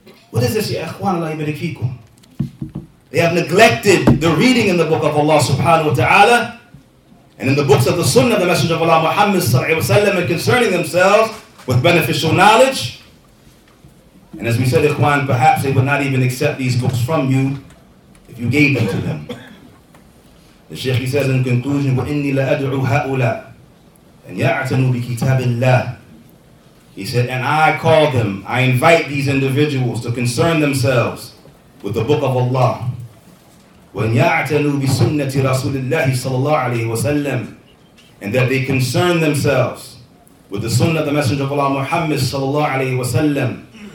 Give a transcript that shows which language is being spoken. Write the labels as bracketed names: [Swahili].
[English] What is this, ya ikhwan, Allah ibarik fikum? They have neglected the reading in the book of Allah subhanahu wa ta'ala and in the books of the Sunnah, the Messenger of Allah Muhammad sallallahu alayhi wa sallam, and concerning themselves with beneficial knowledge. And as we said, ikhwan, perhaps they would not even accept these books from you if you gave them to them. The Shaykh, he says in conclusion, [Arabic] وَإِنِّي لَأَدْعُوا هَؤُلَىٰ أَنْ يَعْتَنُوا بِكِتَابِ اللَّهِ. [English] He said, and I call them, I invite these individuals to concern themselves with the book of Allah. When ya'tanu bi sunnati Rasulillah sallallahu alayhi wa sallam, and that they concern themselves with the sunnah of the Messenger of Allah Muhammad sallallahu alayhi wa sallam.